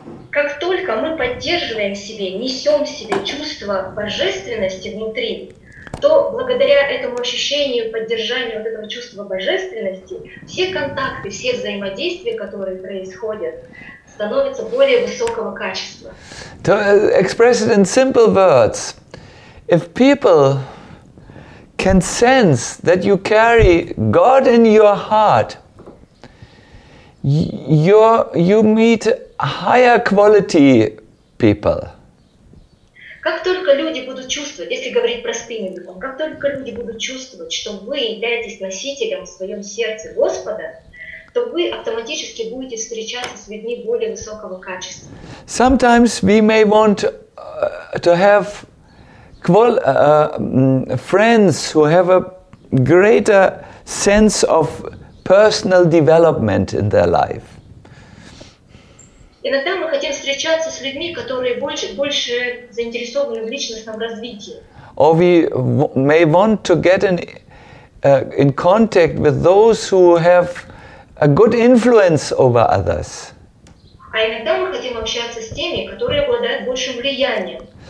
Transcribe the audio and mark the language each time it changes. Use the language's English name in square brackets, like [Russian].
[Russian] Как только мы поддерживаем в себе, несем в себе чувство божественности внутри, то благодаря этому ощущению, поддержанию вот этого чувства божественности, все контакты, все взаимодействия, которые происходят, становятся более высокого качества. [English] To express it in simple words, if people can sense that you carry God in your heart, you meet higher quality people. [Russian] Как только люди будут чувствовать, если говорить простым языком, как только люди будут чувствовать, что вы являетесь носителем в своем сердце Господа, то вы автоматически будете встречаться с людьми более высокого качества. [English] Sometimes we may want to have friends who have a greater sense of personal development in their life. [Russian] Иногда мы хотим встречаться с людьми, которые больше заинтересованы в личностном развитии. [English] Or we may want to get in contact with those who have a good influence over others. [Russian] А иногда мы хотим общаться с теми, которые обладают большим влиянием.